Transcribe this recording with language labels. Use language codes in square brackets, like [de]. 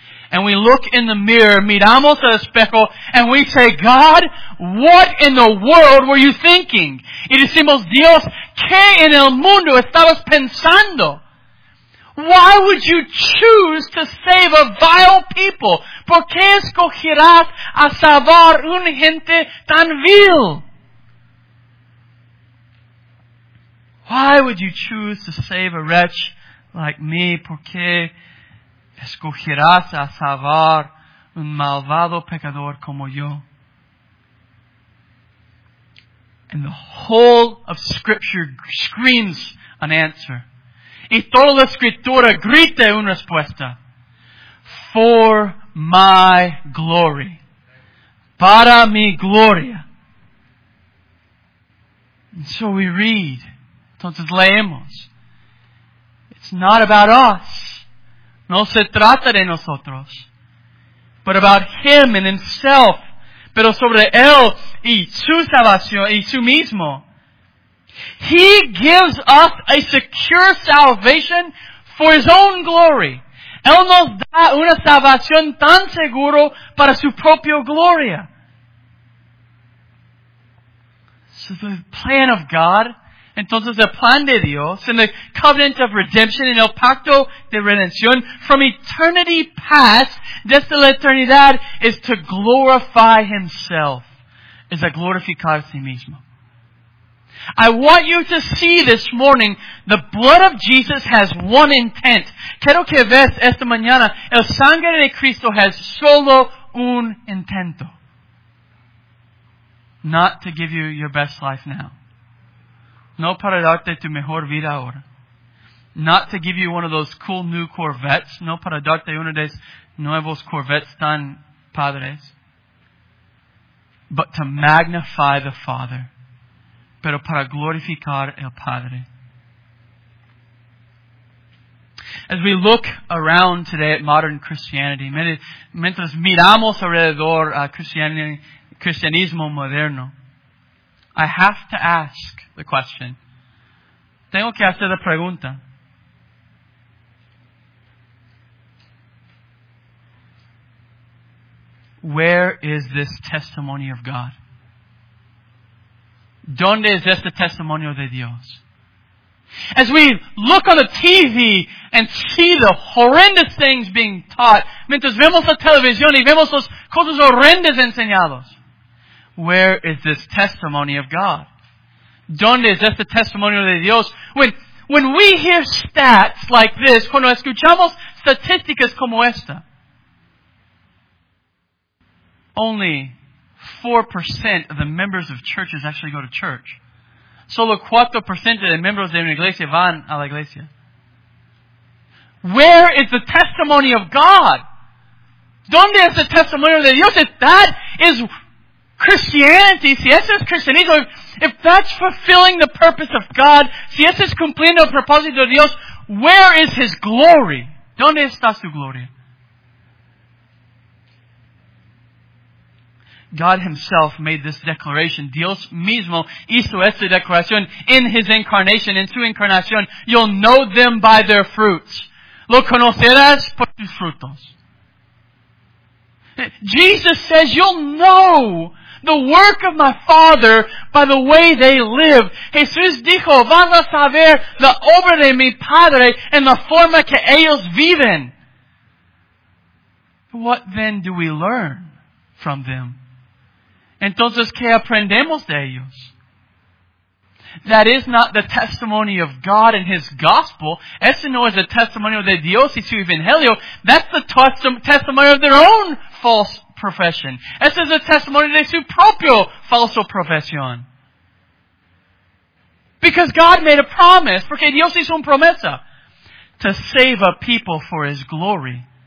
[en] and we look in the mirror, [es] miramos al espejo, [en] and we say, God, what in the world were you thinking? [es] Y decimos, Dios, ¿qué en el mundo estabas pensando? [en] Why would you choose to save a vile people? [es] ¿Por qué escogerás a salvar un gente tan vil? [en] Why would you choose to save a wretch like me? [es] ¿Por qué escogerás a salvar un malvado pecador como yo? [en] And the whole of Scripture screams an answer. [es] Y toda la Escritura grita una respuesta. [en] For my glory. [es] Para mi gloria. [en] And so we read. [es] Entonces leemos. [en] It's not about us. [es] No se trata de nosotros. [en] But about Him and Himself. [es] Pero sobre Él y su salvación y su mismo. [en] He gives us a secure salvation for His own glory. [es] Él nos da una salvación tan seguro para su propia gloria. [en] So the plan of God, [es] entonces el plan de Dios, [en] and the covenant of redemption and [es] el pacto de redención [en] from eternity past, [es] desde la eternidad, [en] is to glorify Himself. [es] Es a glorificar a sí mismo. [en] I want you to see this morning, the blood of Jesus has one intent. [es] Quiero que veas esta mañana, el sangre de Cristo has solo un intento. [en] Not to give you your best life now. [es] No para darte tu mejor vida ahora. [en] Not to give you one of those cool new Corvettes. [es] No para darte uno de esos nuevos Corvettes tan padres. [en] But to magnify the Father. [es] Pero para glorificar el Padre. [en] As we look around today at modern Christianity, [es] mientras miramos alrededor a cristianismo moderno, [en] I have to ask the question. [es] Tengo que hacer la pregunta. [en] Where is this testimony of God? [es] ¿Dónde es este testimonio de Dios? [en] As we look on the TV and see the horrendous things being taught, [es] mientras vemos la televisión y vemos las cosas horrendas enseñadas, [en] where is this testimony of God? [es] ¿Dónde es este testimonio de Dios? [en] When we hear stats like this, [es] cuando escuchamos estadísticas como esta, [en] only 4% of the members of churches actually go to church. [es] Solo 4% [en] of the members [es] de una iglesia van a la iglesia. [en] Where is the testimony of God? [es] ¿Dónde es el testimonio de Dios? [en] If that is Christianity, [es] si eso es cristianismo, [en] if that's fulfilling the purpose of God, [es] si eso es cumpliendo el propósito de Dios, [en] where is His glory? [es] ¿Dónde está su gloria? [en] God Himself made this declaration. [es] Dios mismo hizo esta declaración [en] in His incarnation, [es] in su incarnación. [en] You'll know them by their fruits. [es] Lo conocerás por sus frutos. [en] Jesus says, you'll know the work of my Father by the way they live. [es] Jesús dijo, van a saber la obra de mi Padre en la forma que ellos viven. [en] What then do we learn from them? [es] Entonces, ¿qué aprendemos de ellos? [en] That is not the testimony of God and His gospel. [es] Ese no es el testimonio de Dios y su evangelio. [en] That's the testimony of their own false profession. [es] Ese es el testimonio de su propio falso profesión. [en] Because God made a promise. [es] Porque Dios hizo una promesa. [en] To save a people for His glory.